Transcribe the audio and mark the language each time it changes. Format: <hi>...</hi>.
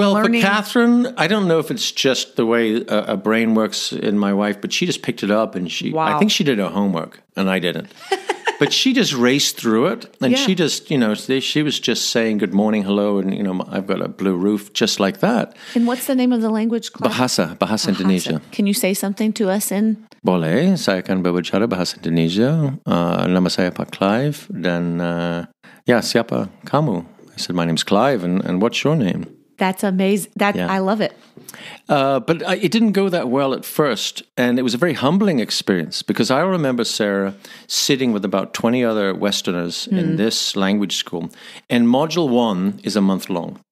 <en>For Kathryn, I don't know if it's just the way a brain works in my wife, but she just picked it up and she, I think she did her homework and I didn't. But she just raced through it, and she just, you know, she was just saying good morning, hello, and, you know, I've got a blue roof, just like that. And what's the name of the language, Clive? Bahasa Indonesia. Can you say something to us in?</en> <id>Boleh, saya akan berbicara Bahasa Indonesia. Nama saya Pak Clive, dan siapa kamu?</id> <en>I said, my name's Clive, and what's your name? That's amazing. I love it. But it didn't go that well at first. And it was a very humbling experience because I remember, Sarah, sitting with about 20 other Westerners in this language school. And module one is a month long.</en>